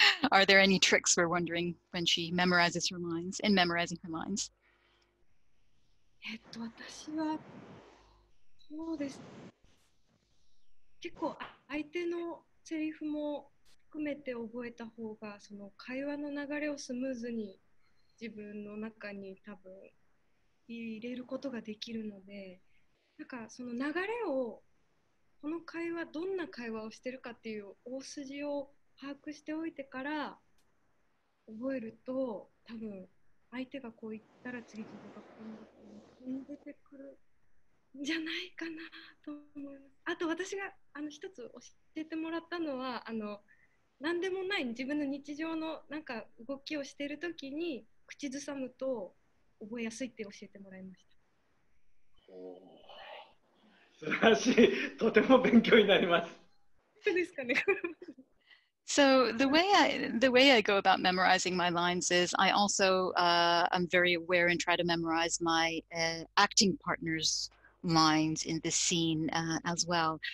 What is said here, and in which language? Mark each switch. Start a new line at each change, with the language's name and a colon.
English: Are there any tricks we're wondering when she memorizes her lines, in memorizing her lines?
Japanese: 私はそうです。結構相手のセリフも含めて覚えた方がその会話の流れをスムーズに自分の中に多分入れることができるので、なんかその流れをこの会話どんな会話をしてるかっていう大筋を把握しておいてから覚えると多分相手がこう言ったら次自分がこう言ってくるんじゃないかなと思います。あと私が一つ教えてもらったのは何でもない自分の日常のなんか動きをしてるときに口ずさむと覚えやすいって教えてもらいました。おー、素晴らしい。とても勉強になります。そうですかね。
English: So the way I go about memorizing my lines is I also I'm very aware and try to memorize my acting partner's lines in the scene as well.